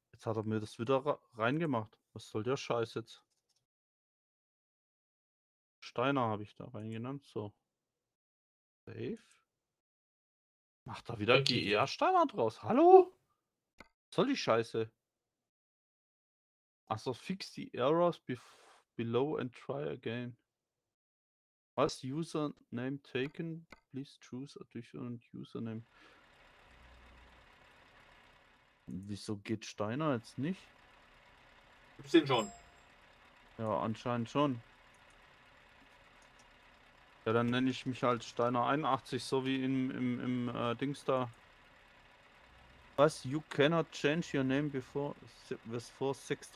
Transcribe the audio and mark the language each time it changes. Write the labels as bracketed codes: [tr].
[de] Jetzt hat er mir das wieder reingemacht. Was soll der Scheiß jetzt? Steiner habe ich da reingenannt. So. Save. Macht da wieder GER Steiner draus. Hallo? Was soll die Scheiße? [en] Achso, fix the errors below and try again. Was username taken? Please choose a different username. [de] Wieso geht Steiner jetzt nicht? Gibt's den schon? Ja, anscheinend schon. Ja, dann nenne ich mich halt Steiner 81, so wie im Dings da. Was? [en] You cannot change your name before 6.